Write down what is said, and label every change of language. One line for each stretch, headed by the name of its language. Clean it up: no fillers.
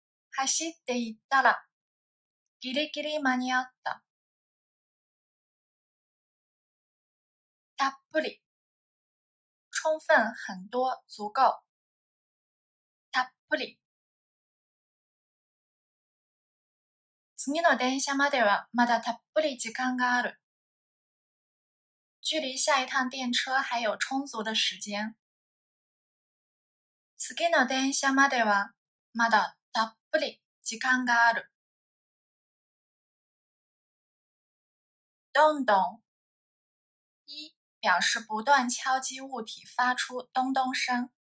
Japanese: 走って行ったら、ギリギリ間に合った。
Chinese: たっぷり、充分、很多、足够。
Japanese: たっぷり。次の電車まではまだたっぷり時間がある。
Chinese: 距離下一趟電車还有充足的時間。
Japanese: 次の電車まではまだたっぷり。時間がある。
Chinese: どんどん。一、表示不断敲击物体发出咚咚声。